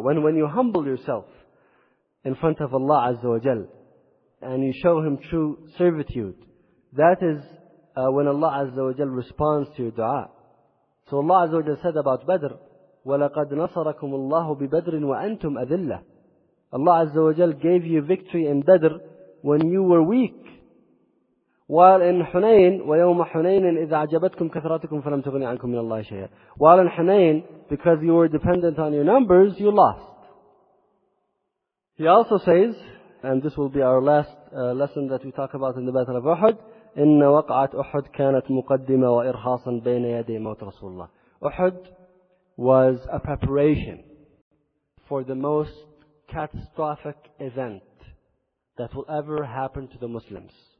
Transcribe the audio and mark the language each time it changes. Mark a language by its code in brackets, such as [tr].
[en] When you humble yourself in front of Allah Azza wa Jal and you show Him true servitude, that is when Allah Azza wa Jal responds to your dua. So Allah Azza wa Jal said about Badr, [ar] وَلَقَدْ نَصَرَكُمُ اللَّهُ بِبَدْرٍ وَأَنْتُمْ أَذِلَّةٌ. [en] Allah Azza wa Jal gave you victory in Badr when you were weak. While in Hunayn, [ar] وَيَوْمَ حُنَيْنٍ إِذَا عَجَبَتْكُمْ كَثْرَتُكُمْ فَلَمْ تُغْنِ عَنْكُمْ مِنَ اللَّهِ شَيْئًا. [en] While in Hunayn, because you were dependent on your numbers, you lost. He also says, and this will be our last lesson that we talk about in the Battle of Uhud. [ar] إِنَّ وَقْعَةْ أُحُدْ كَانَتْ مُقَدِّمَ وَإِرْحَاصًا بَيْنَ يَدَيْ مَوْتِ رَسُولِ اللَّهِ. [en] Uhud was a preparation for the most catastrophic event that will ever happen to the Muslims.